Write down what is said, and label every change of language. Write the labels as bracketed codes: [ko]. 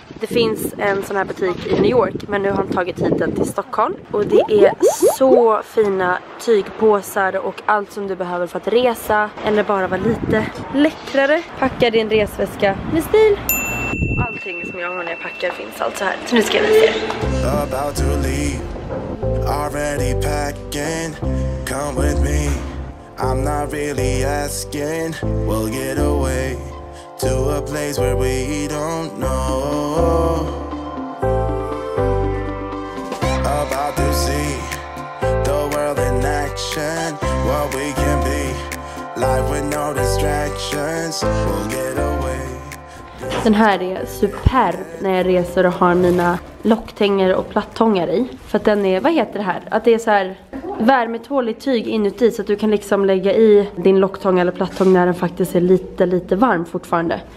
[sv] Det finns en sån här butik i New York, men nu har han tagit hit den till Stockholm. Och det är så fina tygpåsar och allt som du behöver för att resa. Eller bara vara lite läckrare. Packa din resväska med stil. Allting som jag har när jag packar finns alltså här. Så nu ska jag visa er. [en] About to leave, already packing, come with me. I'm not really asking, we'll get away. To a place where we don't know. About to see the world in action. What we can be, life with no distractions. We'll get away. [sv] Den här är superb när jag reser och har mina locktänger och plattångar i. För att den är, vad heter det här? Att det är så här värmetåligt tyg inuti, så att du kan liksom lägga i din locktång eller plattång när den faktiskt är lite varm fortfarande.